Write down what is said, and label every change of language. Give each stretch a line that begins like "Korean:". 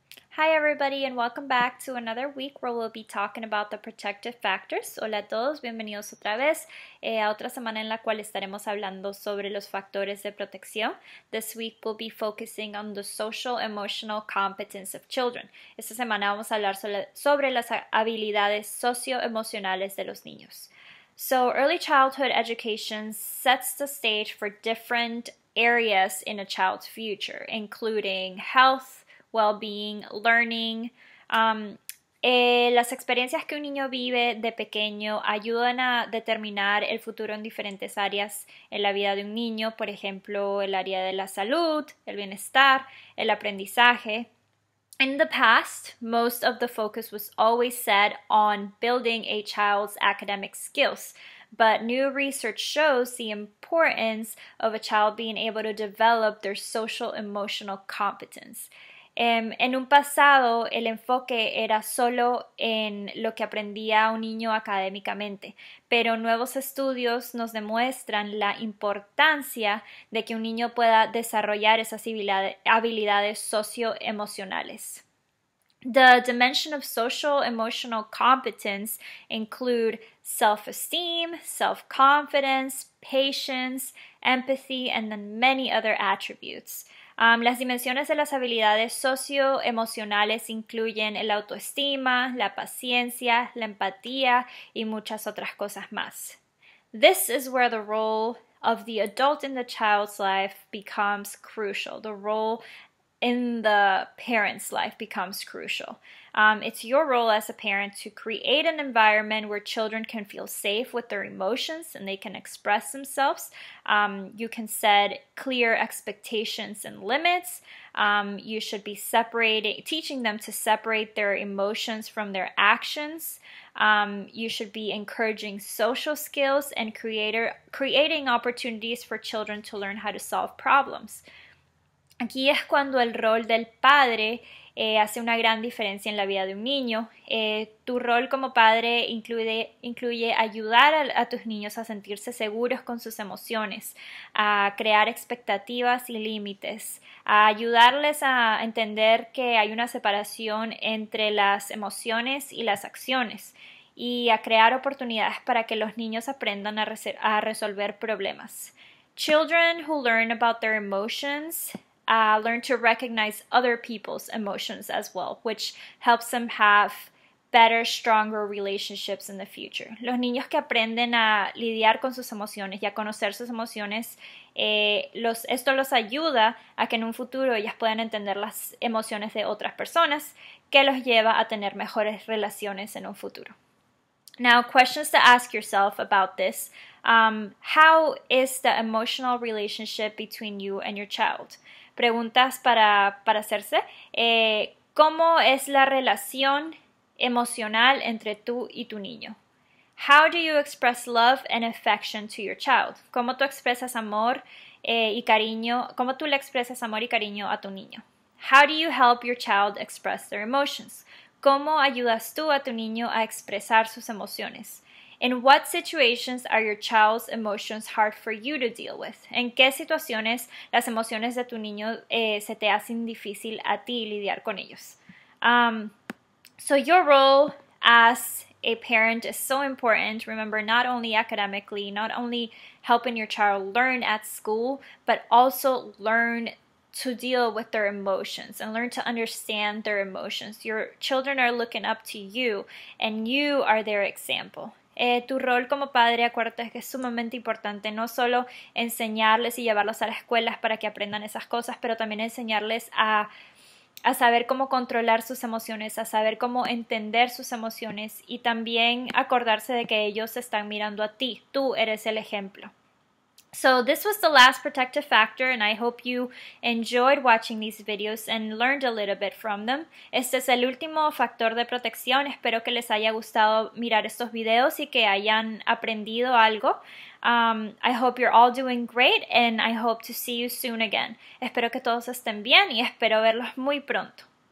English: Hi everybody and welcome back to another week where we'll be talking about the protective factors.
Spanish: Hola a todos, bienvenidos otra vez a otra semana en la cual estaremos hablando sobre los factores de protección.
English: This week we'll be focusing on the social emotional competence of children.
Spanish: Esta semana vamos a hablar sobre las habilidades socioemocionales de los niños.
English: So early childhood education sets the stage for different areas in a child's future, including health, well-being, learning.
Spanish: Las experiencias que un niño vive de pequeño ayudan a determinar el futuro en diferentes áreas en la vida de un niño, por ejemplo, el área de la salud, el bienestar, el aprendizaje.
English: In the past, most of the focus was always set on building a child's academic skills, but new research shows the importance of a child being able to develop their social-emotional competence.
Spanish: En un pasado, el enfoque era solo en lo que aprendía un niño académicamente, pero nuevos estudios nos demuestran la importancia de que un niño pueda desarrollar esas habilidades socioemocionales.
English: The dimension of social emotional competence include self-esteem, self-confidence, patience, empathy, and then many other attributes.
Spanish: Las dimensiones de las habilidades socioemocionales incluyen el autoestima, la paciencia, la empatía y muchas otras cosas más.
English: This is where the role of the adult in the child's life becomes crucial. The role in the parent's life becomes crucial. It's your role as a parent to create an environment where children can feel safe with their emotions and they can express themselves. You can set clear expectations and limits. You should be teaching them to separate their emotions from their actions. You should be encouraging social skills and creating opportunities for children to learn how to solve problems.
Spanish: Aquí es cuando el rol del padre hace una gran diferencia en la vida de un niño. Tu rol como padre incluye ayudar a tus niños a sentirse seguros con sus emociones, a crear expectativas y límites, a ayudarles a entender que hay una separación entre las emociones y las acciones, y a crear oportunidades para que los niños aprendan a resolver problemas.
English: Children who learn about their emotions learn to recognize other people's emotions as well, which helps them have better, stronger relationships in the future.
Spanish: Los niños que aprenden a lidiar con sus emociones y a conocer sus emociones, esto los ayuda a que en un futuro ellas puedan entender las emociones de otras personas, que los lleva a tener mejores relaciones en un futuro.
English: Now, questions to ask yourself about this. How is the emotional relationship between you and your child?
Spanish: Preguntas para hacerse. ¿Cómo es la relación emocional entre tú y tu niño?
English: How do you express love and affection to your child?
Spanish: ¿Cómo tú expresas amor y cariño? ¿Cómo tú le expresas amor y cariño a tu niño?
English: How do you help your child express their emotions?
Spanish: ¿Cómo ayudas tú a tu niño a expresar sus emociones?
English: In what situations are your child's emotions hard for you to deal with?
Spanish: ¿En qué situaciones las emociones de tu niño se te hacen difícil a ti lidiar con ellos?
English: So your role as a parent is so important. Remember, not only academically, not only helping your child learn at school, but also learn to deal with their emotions and learn to understand their emotions. Your children are looking up to you and you are their example.
Spanish: Tu rol como padre, acuérdate que es sumamente importante no solo enseñarles y llevarlos a las escuelas para que aprendan esas cosas, pero también enseñarles a saber cómo controlar sus emociones, a saber cómo entender sus emociones y también acordarse de que ellos están mirando a ti. Tú eres el ejemplo.
English: So this was the last protective factor, and I hope you enjoyed watching these videos and learned a little bit from them.
Spanish: Este es el último factor de protección. Espero que les haya gustado mirar estos videos y que hayan aprendido algo.
English: I hope you're all doing great, and I hope to see you soon again.
Spanish: Espero que todos estén bien y espero verlos muy pronto.